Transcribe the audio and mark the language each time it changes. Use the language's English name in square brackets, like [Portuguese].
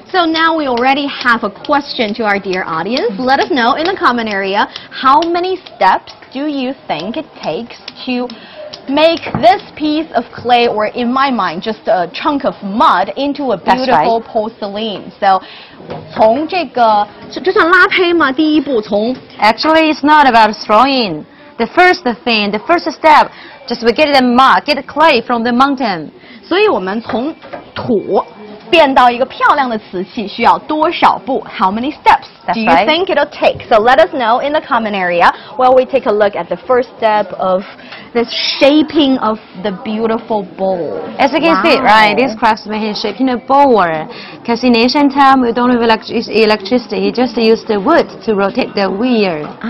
[English] So now we already have a question to our dear audience. Let us know in the comment area, how many steps do you think it takes to make this piece of clay, or in my mind, just a chunk of mud, into a beautiful porcelain? [Chinese] So, 从这个就算拉胚嘛，第一步从 [English] actually, it's not about throwing. The first step, just we get the mud, get the clay from the mountain. [Chinese] 所以我们从土 变到一个漂亮的瓷器需要多少步? [English] How many steps That's do you right. think it'll take? So let us know in the comment area while we take a look at the first step of this shaping of the beautiful bowl. As you can see, right, this craftsman is shaping a bowl. Because in ancient time, we don't have electricity. He just used the wood to rotate the wheel.